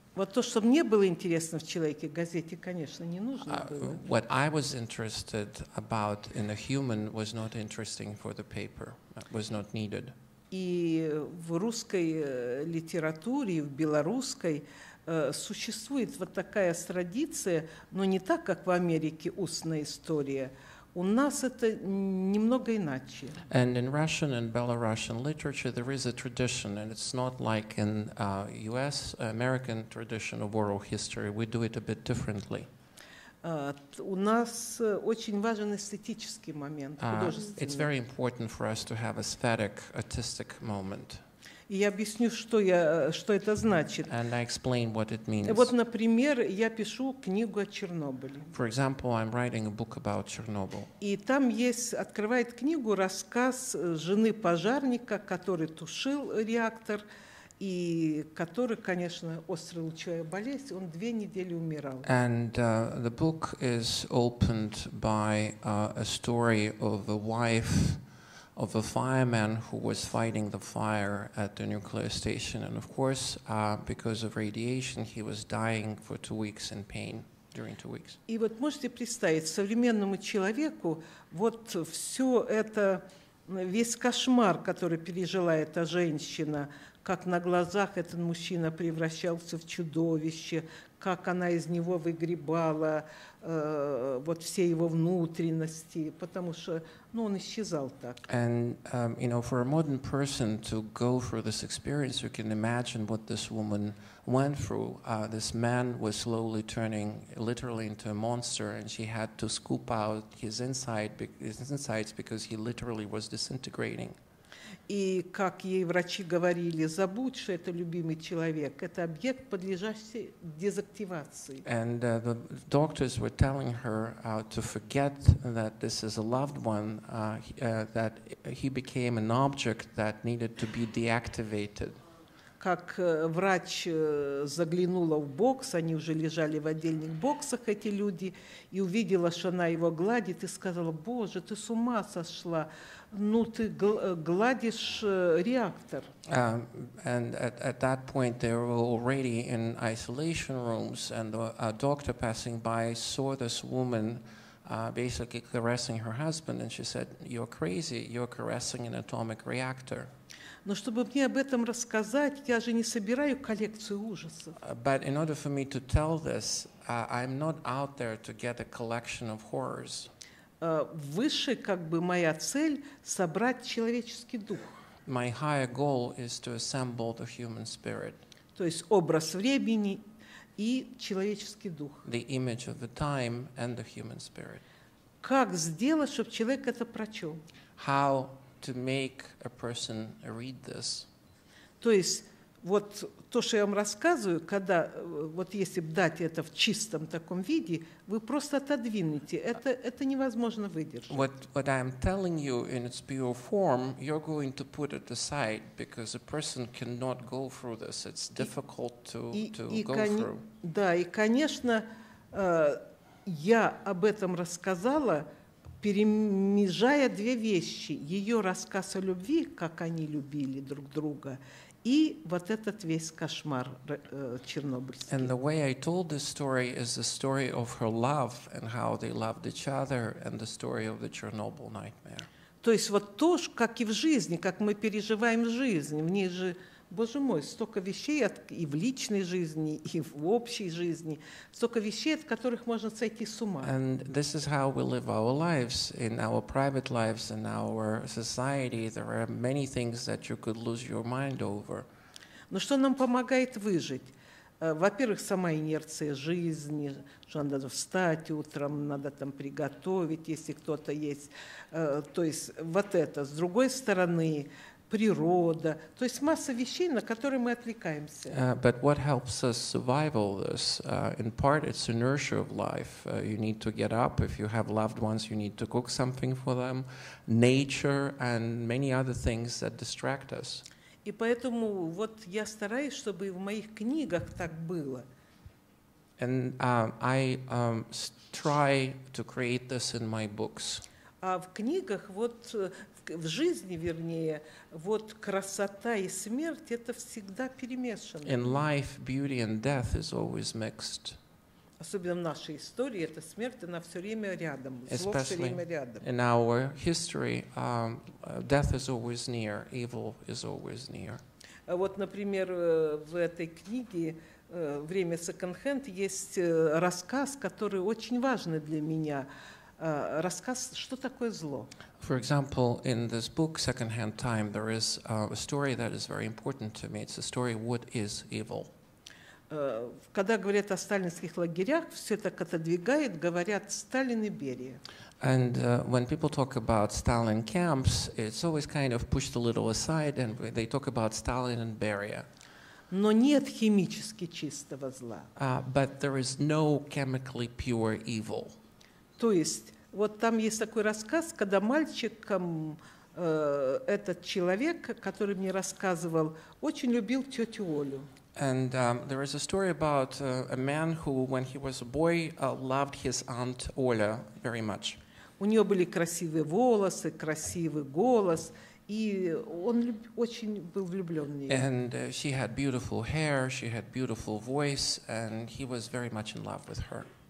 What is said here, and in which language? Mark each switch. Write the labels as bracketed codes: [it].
[ru] Вот то, что мне было интересно в человеке, газете, конечно, не нужно было. [en] What I was interested about in a human was not interesting for the paper, was not needed. [ru] И в русской литературе, в белорусской существует вот такая традиция, но не так, как в Америке, устная история. У нас это немного иначе. [en] And in Russian and Belarusian literature, there is a tradition, and it's not like in U.S. American tradition of oral history. We do it a bit differently. [ru] У нас очень важен эстетический момент, художественный. [en] It's very important for us to have aesthetic, artistic moment. [ru] Я объясню, что я, что это значит. [en] And I explain what it means. [ru] Вот, например, я пишу книгу о Чернобыле. [en] For example, I'm writing a book about Chernobyl. [ru] И там есть, открывает книгу рассказ жены пожарника, который тушил реактор, и который, конечно, острая лучевая болезнь, он две недели умирал. [en] And the book is opened by a story of a wife of a fireman who was fighting the fire at the nuclear station. And of course, because of radiation, he was dying for 2 weeks in pain during 2 weeks. [ru] И вот можете представить, современному человеку вот все это, весь кошмар, который пережила эта женщина, как на глазах этот мужчина превращался в чудовище, как она из него выгребала вот все его внутренности, потому что, ну, он исчезал так. [en] And, you know, for a modern person to go through this experience, you can imagine what this woman went through. This man was slowly turning literally into a monster, and she had to scoop out his insides because he literally was disintegrating. [ru] И как ей врачи говорили, забудь, что это любимый человек, это объект, подлежащий дезактивации. [en] And the doctors were telling her to forget that this is a loved one, that he became an object that needed to be deactivated. [ru] Как врач заглянула в бокс, они уже лежали в отдельных боксах, эти люди, и увидела, что она его гладит, и сказала, боже, ты с ума сошла. Ну, ты гладишь реактор. [en] And at that point, they were already in isolation rooms, and a doctor passing by saw this woman basically caressing her husband, and she said, you're crazy, you're caressing an atomic reactor. [ru] Но чтобы мне об этом рассказать, я же не собираю коллекцию ужасов. [en] But in order for me to tell this, I'm not out there to get a collection of horrors. [ru] Выше, как бы, моя цель — собрать человеческий дух. [en] My higher goal is to assemble the human spirit. [ru] То есть образ времени и человеческий дух. [en] The image of the time and the human spirit. [ru] Как сделать, чтобы человек это прочел? [en] How to make a person read this? [ru] То есть вот то, что я вам рассказываю, когда, вот если бы дать это в чистом таком виде, вы просто отодвинете. Это невозможно выдержать. [en] What I'm telling you in its pure form, you're going to put it aside, because a person cannot go through this. It's difficult to go through. [ru] Да, и, конечно, я об этом рассказала, перемежая две вещи. Ее рассказ о любви, как они любили друг друга, и вот этот весь кошмар чернобыльский. [en] And the way I told this story is the story of her love and how they loved each other and the story of the Chernobyl nightmare. [ru] То есть вот то, как и в жизни, как мы переживаем жизнь, в ней же, боже мой, столько вещей и в личной жизни, и в общей жизни, столько вещей, от которых можно сойти с ума. [en] And this is how we live our lives, in our private lives, in our society. There are many things that you could lose your mind over. [ru] Но что нам помогает выжить? Во-первых, сама инерция жизни, что надо встать утром, надо там приготовить, если кто-то есть. То есть вот это. С другой стороны, природа, то есть масса вещей, на которые мы отвлекаемся. [en] But what helps us survive all this? In part, it's inertia of life. You need to get up. If you have loved ones, you need to cook something for them. Nature and many other things that distract us. [ru] И поэтому вот я стараюсь, чтобы в моих книгах так было. [en] And I try to create this in my books. [ru] А в книгах вот, в жизни, вернее, вот красота и смерть — это всегда перемешано. [en] In life, beauty and death is always mixed. [ru] Особенно в нашей истории, эта смерть, она все время рядом. [en] Especially [ru] все время рядом. [en] In our history, death is always near, evil is always near. [ru] Вот, например, в этой книге «Время секонд-хенд» есть рассказ, который очень важный для меня. Рассказ, что такое зло. [en] For example, in this book, Secondhand Time, there is a story that is very important to me. It's the story, what is evil? [ru] когда говорят о сталинских лагерях, все так отодвигает, говорят Сталин и Берия. [en] And when people talk about Stalin camps, it's always kind of pushed a little aside, and they talk about Stalin and Beria. [ru] Но нет химически чистого зла. [en] But there is no chemically pure evil. [ru] То есть, вот там есть такой рассказ, когда мальчиком этот человек, который мне рассказывал, очень любил тетю Олю. [en] And there is a story about a man who, when he was a boy, loved his aunt Olya very much. [ru] У нее были красивые волосы, красивый голос, и он очень был влюблен в нее. [en] And she had beautiful hair, she had beautiful voice, and he was very much in love with her.